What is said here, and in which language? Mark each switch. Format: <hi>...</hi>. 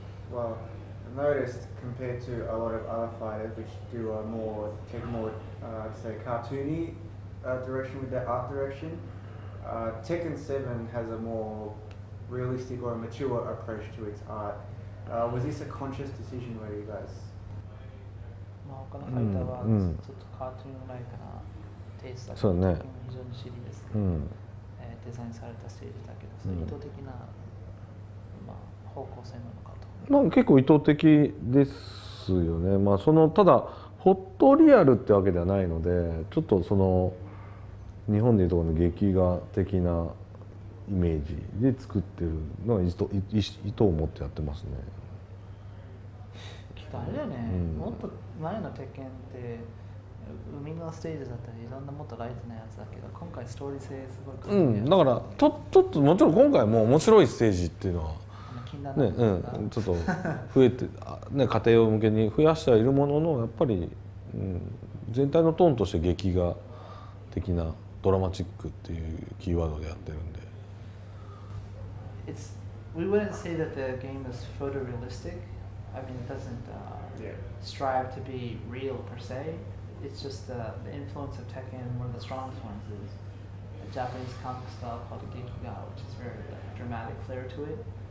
<en>Well, I noticed compared to a lot of other fighters which do a more, take more, say, cartoony, direction with their art direction, Tekken 7 has a more realistic or mature approach to its art. Was this a conscious decision where you guys?</en> <ja>他のファイターはちょっとカートゥーンライクなテイストだけど、うんね、非常にシリアスで、うん、デザインされたステージだけど、その意図的な、まあ、方向性なのかと、まあ、結構意図的ですよね、まあ、そのただホットリアルってわけではないので、ちょっとその日本でいうところの劇画的なイメージで作ってるのが意図を持ってやってますね。きっとあれだよね、うん、もっと前の鉄拳って海のステージだったりいろんなもっとライトなやつだけど、今回ストーリー性すごい、うん、だからちょっともちろん今回も面白いステージっていうのは、ね、うん、ちょっと増えて、ね、家庭向けに増やしてはいるものの、やっぱり、うん、全体のトーンとして劇画的なドラマチックっていうキーワードでやってるんで、</ja> <en>It's, We wouldn't say that the game is photorealistic. I mean it doesn'tstrive to be real per se. It's just the influence of Tekken, one of the strongest ones is a Japanese comic style called Gekiga, which is very like, dramatic flair to it.</en>